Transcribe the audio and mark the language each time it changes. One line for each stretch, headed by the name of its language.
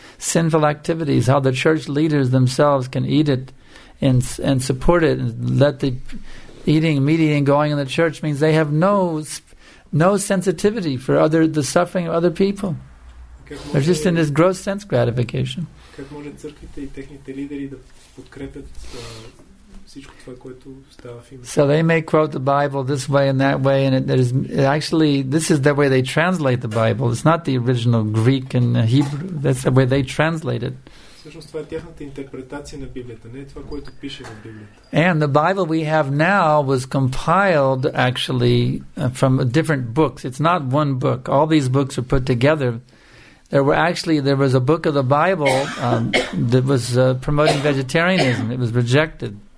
English: sinful activities, how the church leaders themselves can eat it and support it, and let the meat eating going in the church means they have no sensitivity for the suffering of other people. They're just in this gross sense gratification.
Bulgarian: Как може църквите и техните лидери да подкрепят всичко това, което става в името?
English: So they may quote the Bible this way and that way, and this is the way they translate the Bible. It's not the original Greek and Hebrew. That's the way they translate it.
Bulgarian: Всъщност това е тяхната интерпретация на Библията, не е това, което пише в Библията.
English: And the Bible we have now was compiled actually from different books. It's not one book. All these books are put together. There was a book of the Bible that was promoting vegetarianism. It was rejected.